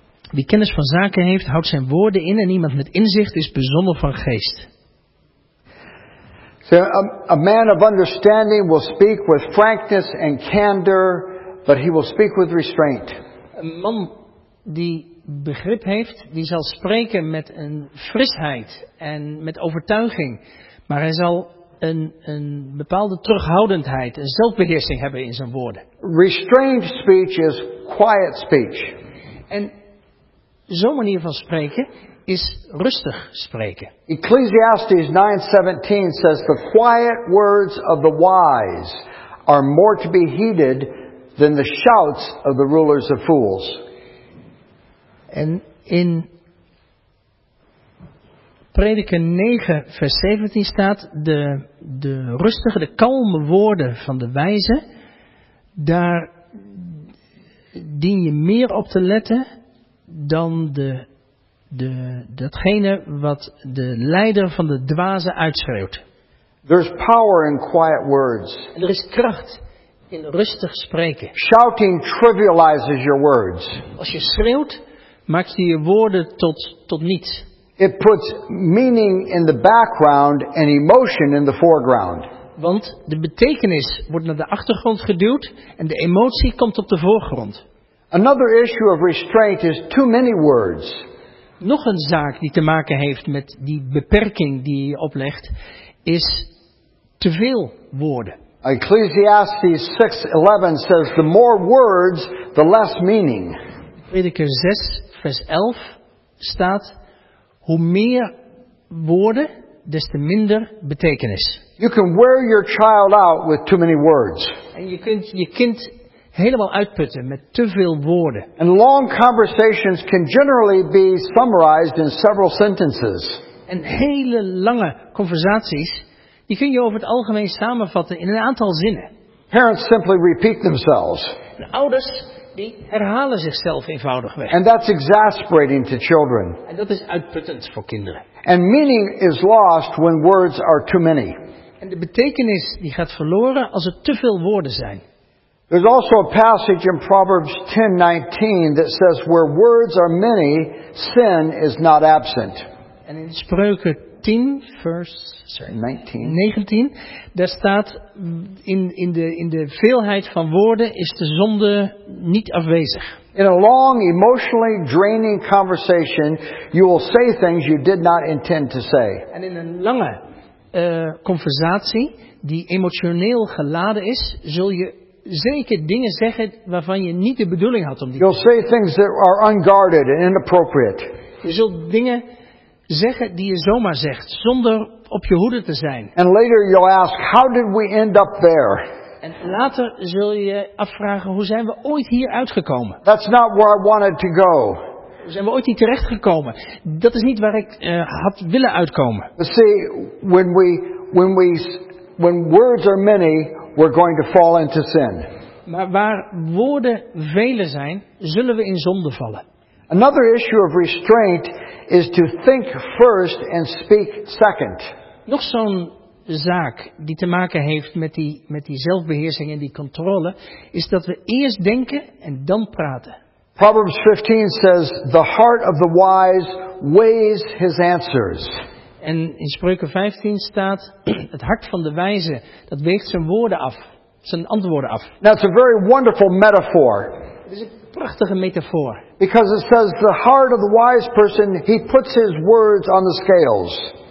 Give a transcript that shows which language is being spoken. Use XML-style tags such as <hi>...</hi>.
<nl>Wie kennis van zaken heeft, houdt zijn woorden in en iemand met inzicht is bezonnen van geest.</nl> <en>So, a man of understanding will speak with frankness and candor, but he will speak with restraint.</en> <nl>Een man die begrip heeft, die zal spreken met een frisheid en met overtuiging, maar hij zal een bepaalde terughoudendheid, een zelfbeheersing hebben in zijn woorden.</nl> <en>Restrained speech is quiet speech.</en> <nl>En zo'n manier van spreken is rustig spreken.</nl> <en>Ecclesiastes 9:17 says the quiet words of the wise are more to be heeded than the shouts of the rulers of fools.</en> <nl>En in Prediker 9 vers 17 staat de rustige, de kalme woorden van de wijze, daar dien je meer op te letten dan de datgene wat de leider van de dwazen uitschreeuwt.</nl> <en>There's power in quiet words.</en> <nl>En er is kracht in rustig spreken.</nl> <en>Shouting trivializes your words.</en> <nl>Als je schreeuwt, maak je je woorden tot niets.</nl> <en>It puts meaning in the background and emotion in the foreground.</en> <nl>Want de betekenis wordt naar de achtergrond geduwd en de emotie komt op de voorgrond.</nl> <en>Another issue of restraint is too many words.</en> <nl>Nog een zaak die te maken heeft met die beperking die je oplegt, is te veel woorden.</nl> <en>Ecclesiastes 6:11 says the more words, the less meaning.</en> <nl>Prediker 6 vers 11 staat: hoe meer woorden, des te minder betekenis.</nl> <en>You can wear your child out with too many words.</en> <nl>En je kunt je kind helemaal uitputten met te veel woorden.</nl> <en>And long conversations can generally be summarized in several sentences.</en> <nl>En hele lange conversaties, die kun je over het algemeen samenvatten in een aantal zinnen.</nl> <en>Parents simply repeat themselves.</en> <nl>De ouders die herhalen zichzelf eenvoudigweg.</nl> <en>And that's exasperating to children.</en> <nl>En dat is uitputtend voor kinderen.</nl> <en>And meaning is lost when words are too many.</en> <nl>En de betekenis die gaat verloren als er te veel woorden zijn.</nl> <en>There's also a passage in Proverbs 10:19 that says where words are many, sin is not absent.</en> <nl>En in Spreuken 10 vers 19. Daar staat in de veelheid van woorden is de zonde niet afwezig.</nl> <en>In a long, emotionally draining conversation, you will say things you did not intend to say.</en> <nl>En in een lange conversatie die emotioneel geladen is, zul je zeker dingen zeggen waarvan je niet de bedoeling had om die.</nl> <en>You'll say things that are unguarded and inappropriate.</en> <nl>Je zult dingen zeggen die je zomaar zegt, zonder op je hoede te zijn.</nl> <en>And later you'll ask, how did we end up there?</en> <nl>En later zul je afvragen, hoe zijn we ooit hier uitgekomen?</nl> <en>That's not where I wanted to go.</en> <nl>Zijn we ooit niet terechtgekomen? Dat is niet waar ik had willen uitkomen.</nl> <en>But see, when words are many, we're going to fall into sin.</en> <nl>Maar waar woorden vele zijn, zullen we in zonde vallen.</nl> <en>Another issue of restraint is to think first and speak second.</en> <nl>Nog zo'n zaak die te maken heeft met die zelfbeheersing en die controle is dat we eerst denken en dan praten.</nl> <en>Proverbs 15 says the heart of the wise weighs his answers.</en> <nl>En in Spreuken 15 staat het hart van de wijze dat weegt zijn woorden af, zijn antwoorden af.</nl> <en>Now it's a very wonderful metaphor.</en> <nl>Prachtige metafoor.</nl> <en>Because it says the heart of the wise person, he puts his words on the scales.</en>